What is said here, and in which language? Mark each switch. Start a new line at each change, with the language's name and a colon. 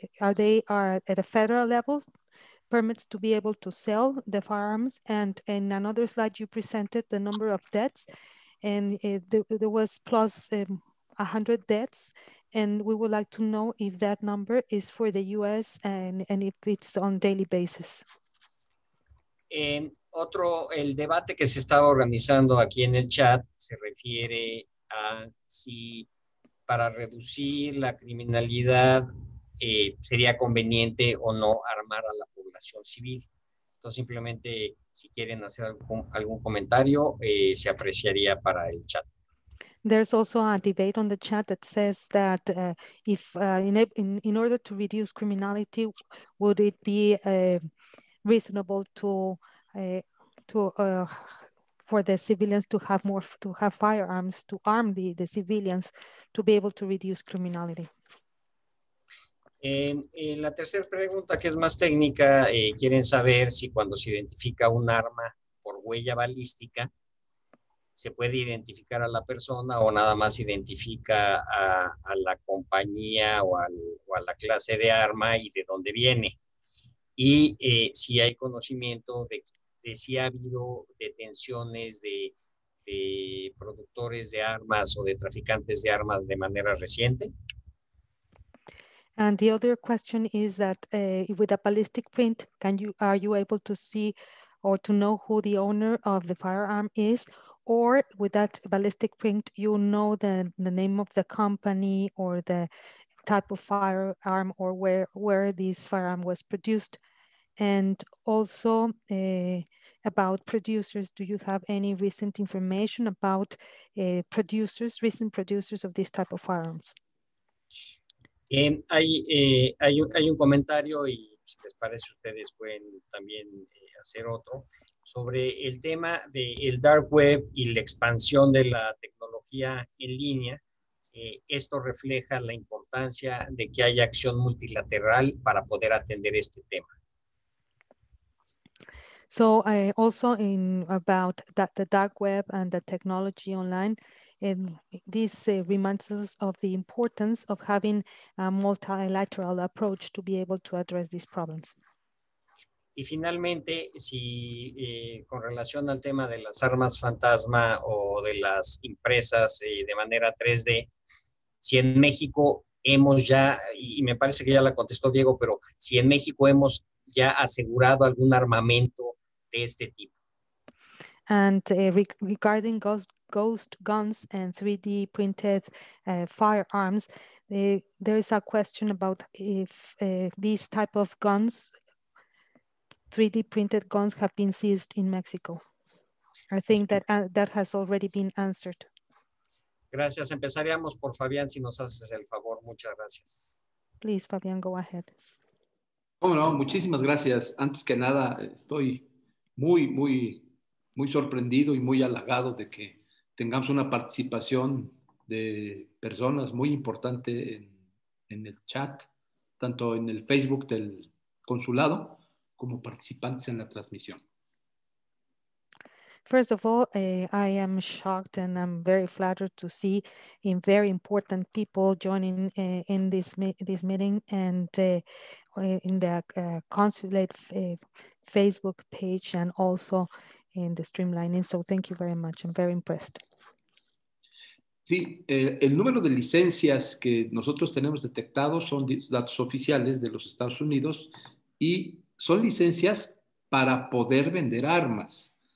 English: Are they at a federal level? Permits to be able to sell the firearms. And in another slide, you presented the number of deaths, and there was plus 100 deaths. And we would like to know if that number is for the US and if it's on daily basis.
Spanish: En otro, el debate que se estaba organizando aquí en el chat se refiere a si para reducir la criminalidad sería conveniente o no armar a la población civil. Entonces, simplemente, si quieren hacer algún comentario, se apreciaría para el chat.
English: There's also a debate on the chat that says that if in order to reduce criminality, would it be reasonable for the civilians to have more, to have firearms, to arm the civilians to be able to reduce criminality?
Spanish: En la tercera pregunta, que es más técnica, quieren saber si cuando se identifica un arma por huella balística, se puede identificar a la persona o nada más identifica a la compañía o a la clase de arma y de dónde viene. Y si hay conocimiento de si ha habido detenciones de productores de armas o de traficantes de armas de manera reciente.
English: And the other question is that with a ballistic print, are you able to see or to know who the owner of the firearm is, or with that ballistic print, you know the name of the company or the type of firearm or where this firearm was produced? And also about producers, do you have any recent information about recent producers of this type of firearms?
Spanish: Hay un comentario, y si les parece, ustedes pueden también hacer otro, sobre el tema del dark web y la expansión de la tecnología en línea. Esto refleja la importancia de que haya acción multilateral para poder atender este tema.
English: So also in about that, the dark web and the technology online, and this reminds us of the importance of having a multilateral approach to be able to address these problems.
Spanish: Y finalmente, si con relación al tema de las armas fantasma o de las empresas de manera 3D, si en México hemos ya, y me parece que ya la contestó Diego, pero si en México hemos ya asegurado algún armamento de este tipo.
English: And regarding ghost guns and 3D printed firearms, there is a question about if these type of guns, 3D printed guns, have been seized in Mexico. I think that has already been answered.
Spanish: Gracias. Empezaríamos por Fabián, si nos haces el favor. Muchas gracias.
English: Please, Fabián, go ahead.
Spanish: Oh, no, muchísimas gracias. Antes que nada, estoy muy, muy, muy sorprendido y muy halagado de que tengamos una participación de personas muy importante en el chat, tanto en el Facebook del consulado como participantes en la transmisión.
English: First of all, I am shocked and I'm very flattered to see in very important people joining in this meeting and in the consulate Facebook page and also in the streamlining. So thank you very much. I'm very impressed.
Spanish: Sí, el número de licencias que nosotros tenemos detectados son datos oficiales de los Estados Unidos y son licencias para poder vender armas.